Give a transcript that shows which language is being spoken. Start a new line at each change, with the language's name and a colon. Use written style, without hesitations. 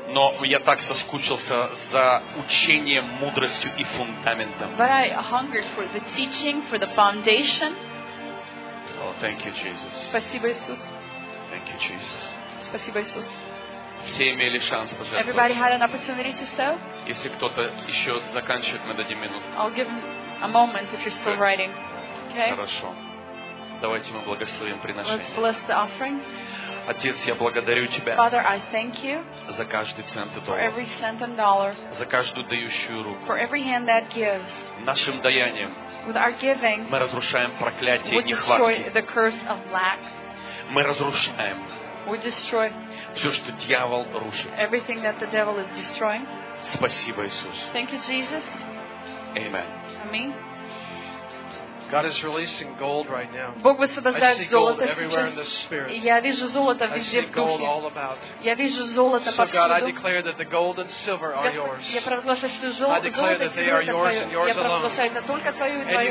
Russian: Но я так соскучился за учением, мудростью и фундаментом.
English: But I hungered for the teaching, for the foundation. Oh, thank you, Jesus.
Russian: Спасибо, Иисус.
English: Thank you, Jesus.
Russian: Спасибо, Иисус. Все имели шанс пожертвовать.
English: Everybody had an opportunity to sow.
Russian: Если кто-то еще заканчивает, мы дадим минуту.
English: I'll give a moment if you're still writing. Okay.
Russian: Хорошо. Давайте мы благословим приношение.
English: Let's bless the offering.
Russian: Отец, я благодарю тебя.
English: Father, I thank you.
Russian: За каждый цент и доллар.
English: For every cent and dollar.
Russian: За каждую дающую руку.
English: For every hand that gives.
Russian: Нашим даянием.
English: With our giving.
Russian: Мы разрушаем проклятие нехватки.
English: We destroy the curse of lack.
Russian: Мы разрушаем.
English: We destroy.
Russian: Все, что дьявол рушит.
English: Everything that the devil is destroying.
Russian: Спасибо, Иисус.
English: Thank you, Jesus. Amen. Amen. God is releasing gold right now.
Russian: Бог высвобождает золото сейчас. Я вижу золото везде в духе. Я вижу золото повсюду.
English: So God, I declare that the gold and silver are yours.
Russian: Я провозглашаю, что золото и серебро твое. Я провозглашаю, это только твое и твое.